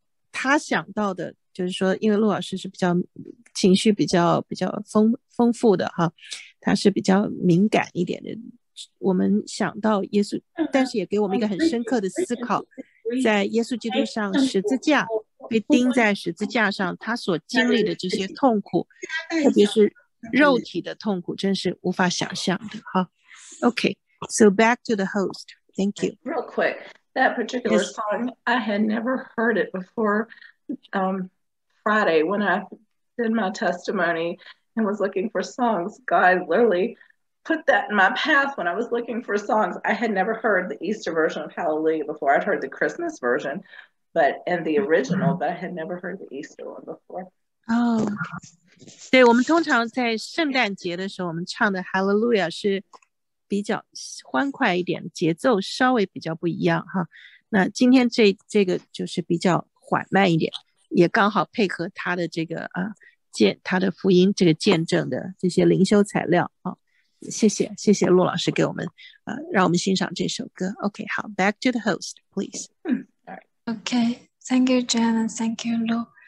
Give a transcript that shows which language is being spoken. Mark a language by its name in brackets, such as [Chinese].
[Chinese] 他想到的就是说，因为陆老师是比较情绪比较丰富的哈，他是比较敏感一点的，我们想到耶稣，但是也给我们一个很深刻的思考，在耶稣基督上十字架被钉在十字架上，他所经历的这些痛苦，特别是肉体的痛苦，真是无法想象的哈。 [English] OK,so back to the host. Thank you. Real quick, that particular song, I had never heard it before Friday when I did my testimony and was looking for songs. God literally put that in my path when I was looking for songs. I had never heard the Easter version of Hallelujah before. I'd heard the Christmas version and the original, but I had never heard the Easter one before. [Chinese] Oh, 对，我们通常在圣诞节的时候，我们唱的 Hallelujah 是比较欢快一点，节奏稍微比较不一样哈。那今天这个就是比较缓慢一点，也刚好配合他的这个他的福音这个见证的这些灵修材料啊。谢谢陆老师给我们让我们欣赏这首歌。 [English] OK, 好 ，Back to the host, please. OK, thank you, Jan, and thank you, Lou.